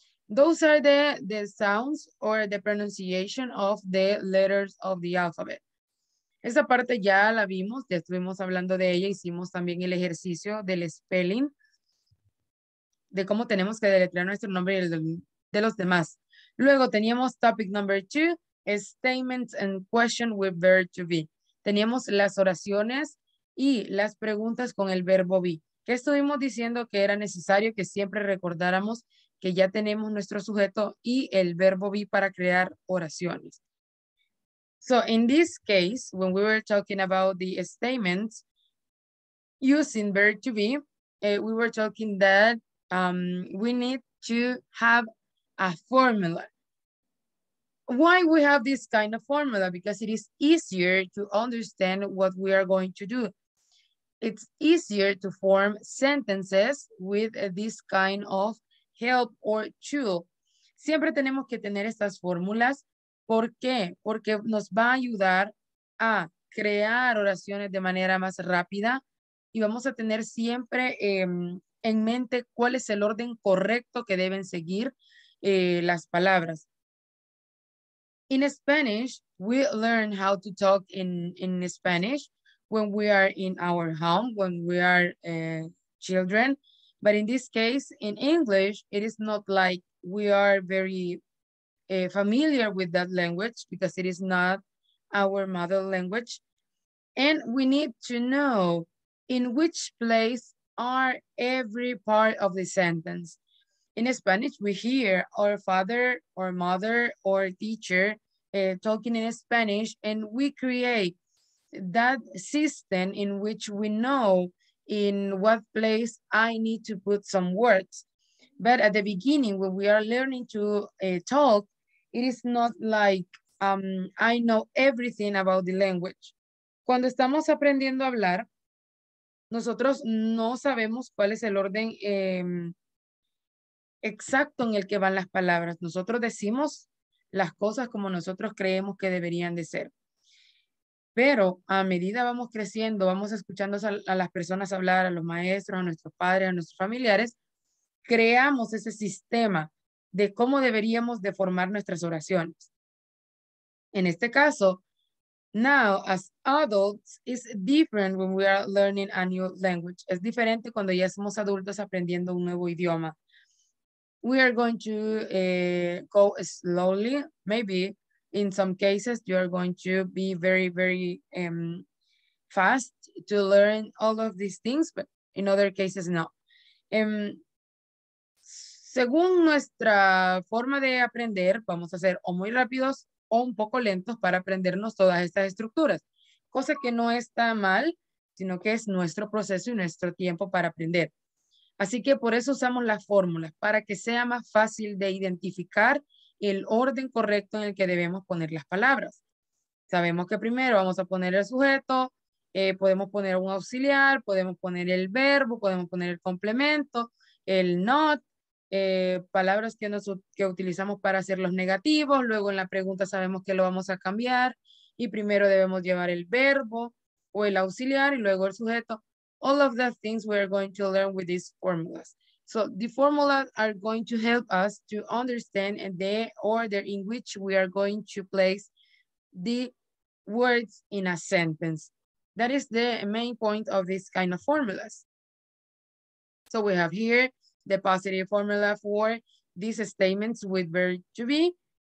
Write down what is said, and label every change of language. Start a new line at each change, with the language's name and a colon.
English: Those are the sounds or the pronunciation of the letters of the alphabet.
Spanish: Esa parte ya la vimos, ya estuvimos hablando de ella, hicimos también el ejercicio del spelling, de cómo tenemos que deletrear nuestro nombre y el de los demás. Luego teníamos
English: topic number two, statements and question with verb to be.
Spanish: Teníamos las oraciones y las preguntas con el verbo be. ¿Qué estuvimos diciendo? Que era necesario que siempre recordáramos que ya tenemos nuestro sujeto y el verbo be para crear oraciones.
English: So in this case, when we were talking about the statements using verb to be, we were talking that we need to have a formula. Why we have this kind of formula? Because it is easier to understand what we are going to do. It's easier to form sentences with this kind of help or tool.
Spanish: Siempre tenemos que tener estas fórmulas. ¿Por qué? Porque nos va a ayudar a crear oraciones de manera más rápida y vamos a tener siempre en mente cuál es el orden correcto que deben seguir las palabras.
English: In Spanish, we learn how to talk in Spanish when we are in our home, when we are children. But in this case, in English, it is not like we are very familiar with that language because it is not our mother language. And we need to know in which place are every part of the sentence. In Spanish, we hear our father or mother or teacher talking in Spanish, and we create that system in which we know in what place I need to put some words. But at the beginning, when we are learning to talk, it is not like I know everything about the language.
Spanish: Cuando estamos aprendiendo a hablar, nosotros no sabemos cuál es el orden exacto en el que van las palabras. Nosotros decimos las cosas como nosotros creemos que deberían de ser. Pero a medida vamos creciendo, vamos escuchando a las personas hablar, a los maestros, a nuestros padres, a nuestros familiares, creamos ese sistema de cómo deberíamos de formar nuestras oraciones. En este caso,
English: now as adults, it's different when we are learning a new language.
Spanish: Es diferente cuando ya somos adultos aprendiendo un nuevo idioma.
English: We are going to go slowly. Maybe in some cases, you are going to be very, very fast to learn all of these things, but in other cases, no.
Spanish: Según nuestra forma de aprender, vamos a ser o muy rápidos o un poco lentos para aprendernos todas estas estructuras, cosa que no está mal, sino que es nuestro proceso y nuestro tiempo para aprender. Así que por eso usamos las fórmulas, para que sea más fácil de identificar el orden correcto en el que debemos poner las palabras. Sabemos que primero vamos a poner el sujeto, podemos poner un auxiliar, podemos poner el verbo, podemos poner el complemento, el not, palabras que utilizamos para hacer los negativos, luego en la pregunta sabemos que lo vamos a cambiar y primero debemos llevar el verbo o el auxiliar y luego el sujeto.
English: All of the things we are going to learn with these formulas. So the formulas are going to help us to understand the order in which we are going to place the words in a sentence. That is the main point of this kind of formulas. So we have here the positive formula for these statements with verb to be.